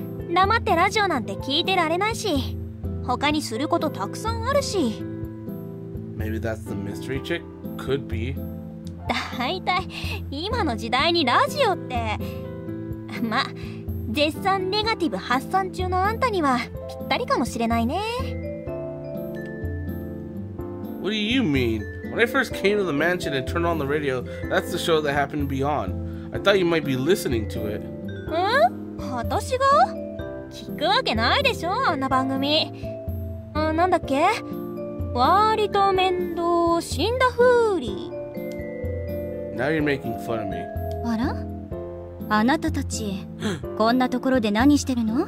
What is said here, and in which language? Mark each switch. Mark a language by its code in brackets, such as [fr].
[ja] 黙ってラジオなんて聞いてられないし、他にすることたくさんあるし。 [en] Maybe that's the mystery chick? Could be. [ja] だいたい今の時代にラジオって、ま、絶賛ネガティブ発散中のあんたにはぴったりかもしれないね。 [en] What do you mean? When I first came to the mansion and turned on the radio, that's the show that happened to be on. I thought you might be listening to it. [ja] ん？私が？聞くわけないでしょ、あんな番組。あ、なんだっけ、わりと面倒死んだふり。 [en] Now you're making fun of me. [ja] あら、あなたたちこんなところで何してるの？